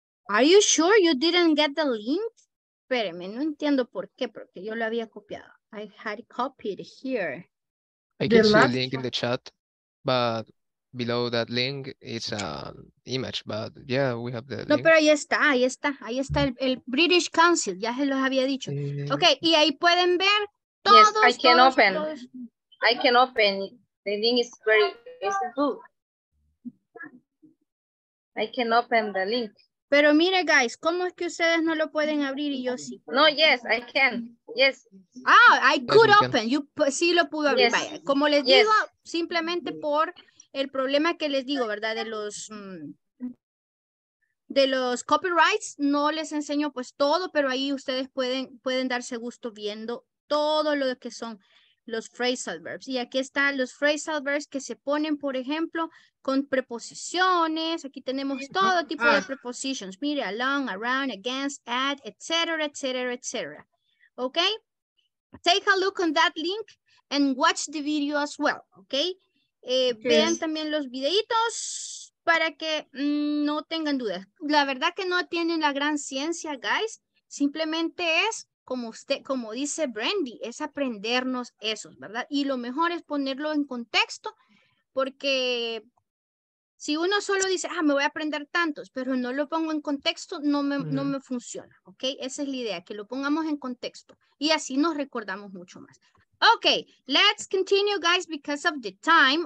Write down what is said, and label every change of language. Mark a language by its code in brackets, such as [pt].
[en] Are you sure you didn't get the link? [es] Espéreme, no entiendo por qué, porque yo lo había copiado. [en] I had copied here. I can see a link in the chat, but below that link, it's an image, but yeah, we have the no, link. [es] Pero ahí está el British Council, ya se los había dicho. Okay, y ahí pueden ver todos. [en] Yes, I can open. The link is very, it's good. I can open the link. [es] Pero mire, guys, ¿cómo es que ustedes no lo pueden abrir y yo sí? [en] No, yes, I can. Yes. Ah, I could yes, open. You [es] sí lo pudo abrir. [en] Yes. [es] Como les [en] yes. [es] digo, simplemente por el problema que les digo, ¿verdad? De los copyrights, no les enseño pues todo, pero ahí ustedes pueden darse gusto viendo todo lo que son los phrasal verbs. Y aquí están los phrasal verbs que se ponen, por ejemplo, con preposiciones. Aquí tenemos todo tipo de prepositions. Mire, along, around, against, at, etc., etc., etc. ¿Ok? [en] Take a look on that link and watch the video as well. [es] ¿Ok? Vean también los videitos para que no tengan dudas. La verdad que no tienen la gran ciencia, guys. Simplemente es como dice Brandy, es aprendernos esos, ¿verdad? Y lo mejor es ponerlo en contexto porque si uno solo dice, ah, me voy a aprender tantos, pero no lo pongo en contexto, no me funciona, ¿ok? Esa es la idea, que lo pongamos en contexto y así nos recordamos mucho más. [en] Okay, let's continue, guys, because of the time.